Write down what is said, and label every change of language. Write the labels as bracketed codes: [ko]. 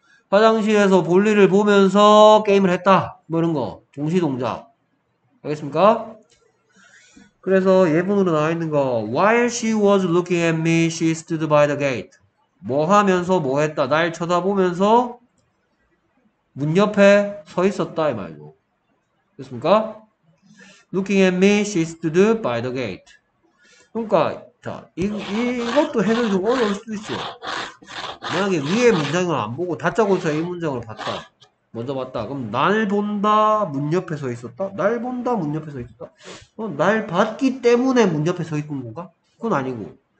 [ko] 화장실에서 볼일을 보면서 게임을 했다. 뭐 이런 거. 동시동작. 알겠습니까? 그래서 예문으로 나와 있는 거. [en] While she was looking at me, she stood by the gate. [ko] 뭐 하면서 뭐 했다. 날 쳐다보면서 문 옆에 서 있었다. 이 말이죠. 알겠습니까? [en] Looking at me, she stood by the gate. [ko] 그러니까 자, 이것도 해석이 좀 어려울 수도 있어요. 만약에 위에 문장을 안 보고 다짜고짜 이 문장을 봤다. 먼저 봤다. 그럼 날 본다, 문 옆에 서 있었다? 날 본다, 문 옆에 서 있었다? 날 봤기 때문에 문 옆에 서 있는 건가? 그건 아니고.